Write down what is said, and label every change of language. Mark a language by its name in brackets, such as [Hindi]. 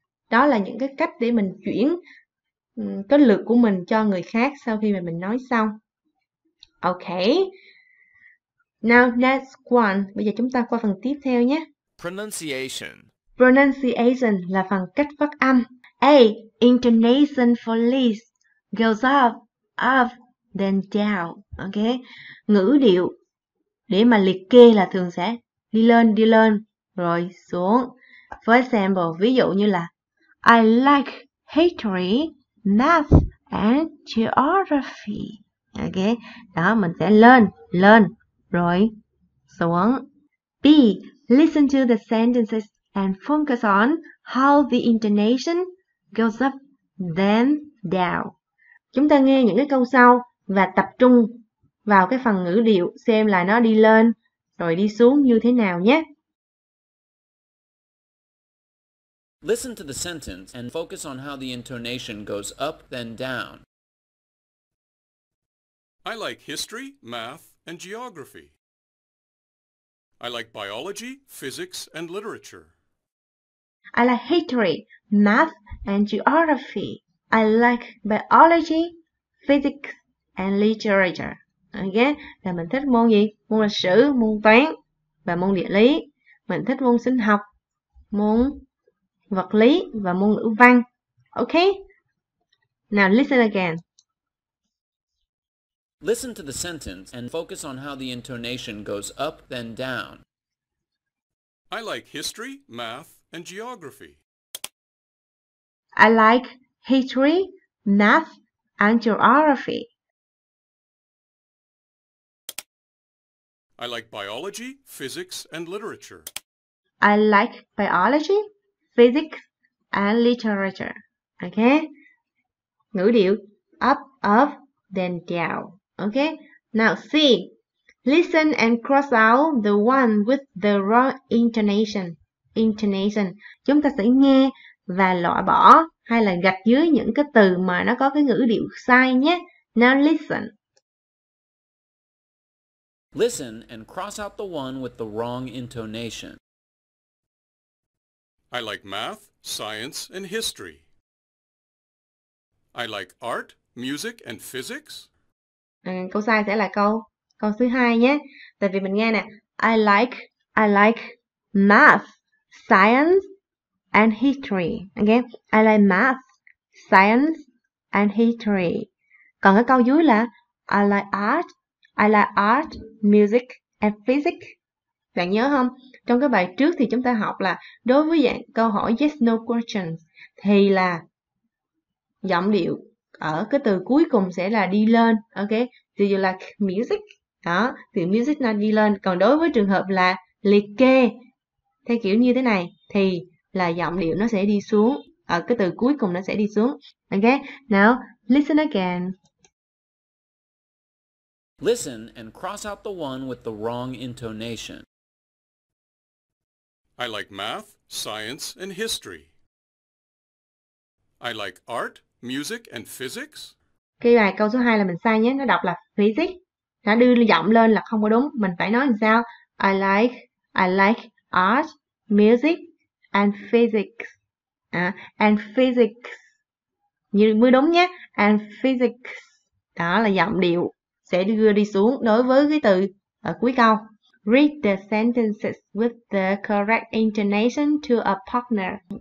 [Vietnamese] Đó là những cái cách để mình chuyển cái lượt của mình cho người khác sau khi mà mình nói xong. Ok. [English] Now, next one. [Vietnamese] Bây giờ chúng ta qua phần tiếp theo nhé. [English] Pronunciation. [Vietnamese] Pronunciation là phần cách phát âm. A. [English] Intonation for list goes up, up, then down. Ok. [Vietnamese] Ngữ điệu để mà liệt kê là thường sẽ đi lên, rồi xuống. [English] For example, [Vietnamese] ví dụ như là [English] I like history, math and geography. Ok. [Vietnamese] Đó, mình sẽ lên, lên, rồi xuống. B. [English] Listen to the sentences and focus on how the intonation goes up, then down. [Vietnamese] Chúng ta nghe những cái câu sau và tập trung vào cái phần ngữ điệu xem là nó đi lên rồi đi xuống như thế nào nhé. [English] Listen to the sentence and focus on how the intonation goes up, then down. I like history, math, and geography. I like biology, physics, and literature. I like history, math, and geography. I like biology, physics, and literature. [Vietnamese] Ok, là mình thích môn gì? Môn lịch sử, môn toán và môn địa lý. Mình thích môn sinh học, môn vật lý và môn ngữ văn. [English] Ok, now listen again. Listen to the sentence and focus on how the intonation goes up then down. I like history, math, and geography. I like history, math, and geography. I like biology, physics, and literature. I like biology, physics, and literature. Okay? [Vietnamese] Ngữ điệu [English] up, up, then down. Okay? Now C. Listen and cross out the one with the wrong intonation. Intonation. [Vietnamese] Chúng ta sẽ nghe và loại bỏ hay là gạch dưới những cái từ mà nó có cái ngữ điệu sai nhé. [English] Now listen. Listen and cross out the one with the wrong intonation. I like math, science, and history. I like art, music, and physics. [Vietnamese] Câu sai sẽ là câu thứ hai nhé. Tại vì mình nghe nè. [English] I like math, science and history. Okay? I like math, science and history. [Vietnamese] Còn cái câu dưới là [English] I like art, music and physics. [Vietnamese] Bạn nhớ không? Trong cái bài trước thì chúng ta học là đối với dạng câu hỏi yes no questions thì là giọng điệu ở cái từ cuối cùng sẽ là đi lên. Okay? [English] Do you like music? [Vietnamese] Đó, thì music nó đi lên. Còn đối với trường hợp là liệt kê theo kiểu như thế này thì là giọng điệu nó sẽ đi xuống, ở cái từ cuối cùng nó sẽ đi xuống. [English] Ok, now listen again. Listen and cross out the one with the wrong intonation. I like math, science and history. I like art, music and physics. [Vietnamese] Cái bài câu số 2 là mình sai nhé, nó đọc là physics. Nó đưa giọng lên là không có đúng, mình phải nói làm sao? [English] I like art, music, and physics. And physics. [Vietnamese] Như mới đúng nhé. [English] And physics. [Vietnamese] Đó là giọng điệu sẽ đưa đi xuống đối với cái từ ở cuối câu. [English] Read the sentences with the correct intonation to a partner.